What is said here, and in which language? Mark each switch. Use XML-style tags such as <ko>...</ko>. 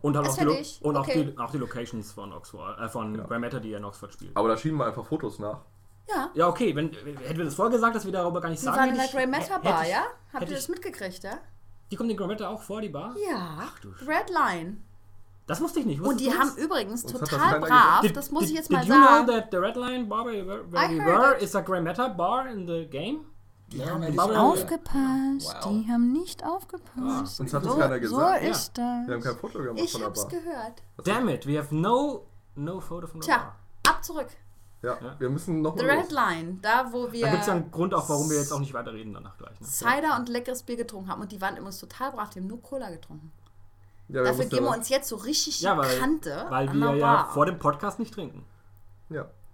<de>Und dann auch die Locations von Oxford, von Grey Matter, die in Oxford spielt. Aber da schienen wir einfach Fotos nach. Ja. Ja, okay. Hätten wir das vorher gesagt, dass wir darüber gar nicht sagen. Wir waren in der Grey Matter Bar, ja? Habt ihr das mitgekriegt, ja? Die kommen den Gravette auch vor, die Bar? Ja. Ach du Scheiße. Red Line. Das wusste ich nicht. Und die haben übrigens total brav, das muss ich jetzt mal sagen.</de> <en>Did you know that the Red Line bar where you were is a Gravette bar in the game?</en> <de>Die haben nicht aufgepasst. Uns hat das keiner gesagt. So ist das. Wir haben kein Foto gemacht von der Bar. Ich hab's gehört.</de> <en>Damn it, we have no photo from the bar.</en> <de>Tja, ab zurück. Ja, wir müssen noch The Red Line, da wo wir... Da gibt es ja einen Grund auch, warum wir jetzt auch nicht weiterreden danach gleich. Ne? Cider und leckeres Bier getrunken haben und die waren immer total brav, die haben nur Cola getrunken. Ja, dafür geben wir uns jetzt so richtig Kante Weil wir ja vor dem Podcast nicht trinken. Ja.</de>